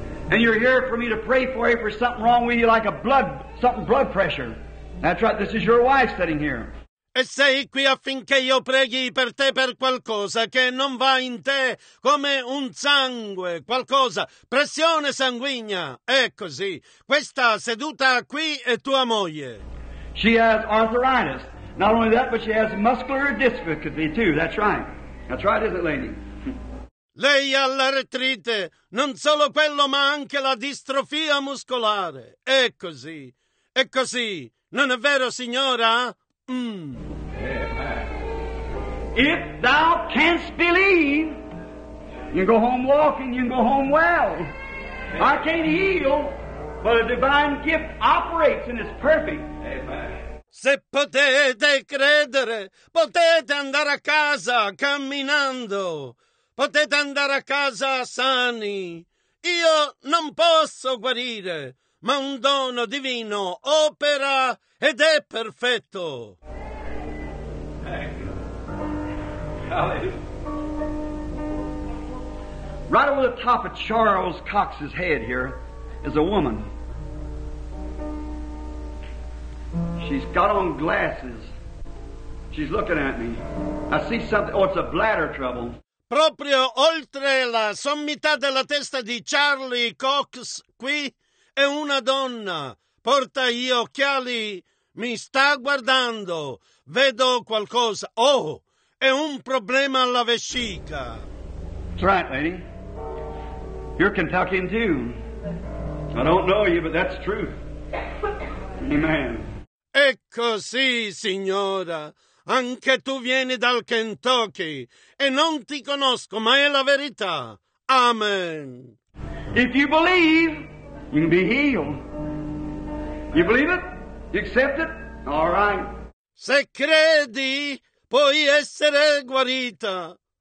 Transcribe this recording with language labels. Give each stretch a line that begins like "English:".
English: And you're here for me to pray for you for something wrong with you, like a blood pressure. That's right. This is your wife sitting here.
Italian: E sei qui affinché io preghi per te per qualcosa che non va in te, come un sangue, qualcosa, pressione sanguigna. È così. Questa seduta qui è tua moglie.
English: She has arthritis. Not only that, but she has muscular dystrophy too. That's right. That's right, isn't it, lady?
Italian: Lei ha l'artrite, non solo quello, ma anche la distrofia muscolare. È così, non è vero, signora?
English: If thou canst believe, you can go home walking, you can go home well. I can't heal, but a divine gift operates and is perfect.
Italian: Se potete credere, potete andare a casa camminando. Potete andare a casa sani. Io non posso guarire, ma un dono divino opera ed è perfetto.
English: Right over the top of Charles Cox's head here is a woman. She's got on glasses. She's looking at me. I see something. Oh, it's a bladder trouble.
Italian: Proprio oltre la sommità della testa di Charlie Cox qui è una donna. Porta gli occhiali. Mi sta guardando. Vedo qualcosa. Oh, è un problema alla vescica.
English: That's right, lady. You're Kentuckian too. I don't know you, but that's true. Amen.
Italian: Ecco sì, signora. Anche tu vieni dal Kentucky e non ti conosco, ma è la verità. Amen.
English: If you believe, you can be healed. You believe it? You accept it? All right.
Italian: Se credi, puoi essere guarita.